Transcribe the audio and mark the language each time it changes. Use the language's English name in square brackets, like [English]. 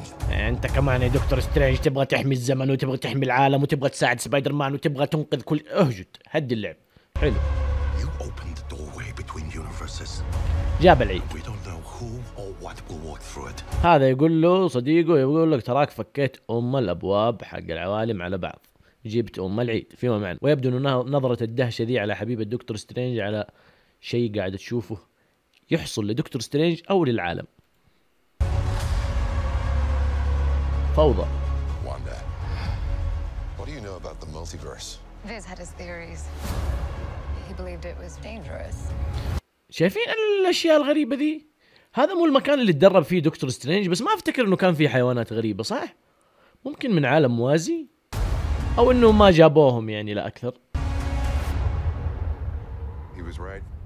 [Arabic] أنت كمان يا دكتور سترينج تبغى تحمي الزمن وتبغى تحمي العالم وتبغى تساعد سبايدر مان وتبغى تنقذ كل أهجد، هدي اللعب حلو. [English] You open the doorway between universes. [Arabic] جاب العيد. [English] We don't know who or what will walk through it. [Arabic] هذا يقول له صديقه، يقول لك تراك فكيت أم الأبواب حق العوالم على بعض، جبت أم العيد فيما معنى. ويبدو أن نظرة الدهشة دي على حبيب الدكتور سترينج على شيء قاعد تشوفه يحصل لدكتور سترينج أو للعالم. فوضى. واندا. [English] What do you know about the multiverse? Viz had his theories. He believed it was dangerous. [Arabic] شايفين الأشياء الغريبة دي؟ هذا مو المكان اللي تدرب فيه دكتور سترينج، بس ما أفتكر إنه كان فيه حيوانات غريبة صح؟ ممكن من عالم موازي؟ أو إنه ما جابوهم يعني لا أكثر. [English] He was right.